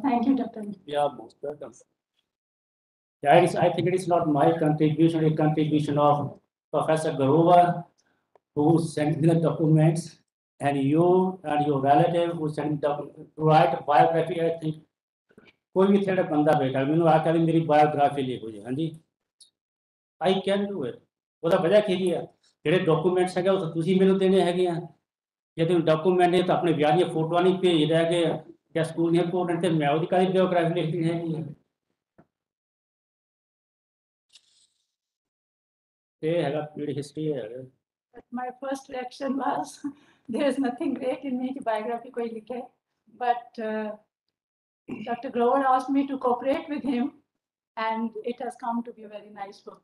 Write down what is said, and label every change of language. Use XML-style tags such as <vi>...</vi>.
<en>Thank you, Dr. Yeah, most welcome. Yeah, I think it is not my contribution, a contribution of Professor Grover, who sent me the documents, and you and your relative who sent the right biography, I think.</en> <pa>ਕੋਈ ਵੀ ਜਿਹੜਾ ਬੰਦਾ ਬੈਠਾ ਮੈਨੂੰ ਆ ਕਹਿੰਦੇ ਮੇਰੀ biography ਲਿਖੋ ਜੀ ਹਾਂਜੀ</pa> <en>I can do it</en> <pa>ਉਹਦਾ ਵਜ੍ਹਾ ਕੀ ਆ ਜਿਹੜੇ ਡਾਕੂਮੈਂਟਸ ਹੈਗੇ ਉਹ ਤੁਸੀਂ ਮੈਨੂੰ ਦੇਣੇ ਹੈਗੇ ਆ ਜੇ ਤੁਹਾਨੂੰ ਡਾਕੂਮੈਂਟ ਨੇ ਤਾਂ ਆਪਣੇ ਵਿਆਹ ਦੀਆਂ ਫੋਟੋਆਂ ਨਹੀਂ ਭੇਜ ਰਹੇ ਹੈਗੇ ਆ ਜਾਂ ਸਕੂਲ ਦੀਆਂ ਇੰਪੋਰਟੈਂਟ ਅਤੇ ਮੈਂ ਉਹਦੀ ਕਾਹਦੀ ਬਾਇਓਗ੍ਰਾਫੀ ਲਿਖਣੀ ਹੈਗੀ ਆ ਇਹ ਹੈਗਾ ਜਿਹੜੀ ਹਿਸਟਰੀ ਹੈ</pa> <en>my first reaction was there is nothing great in me</en> <pa>ਕਿ ਬਾਇਓਗ੍ਰਾਫੀ ਕੋਈ ਲਿਖੇ</pa> <en>But Dr. Grover asked me to cooperate with him, and it has come to be a very nice book.</en>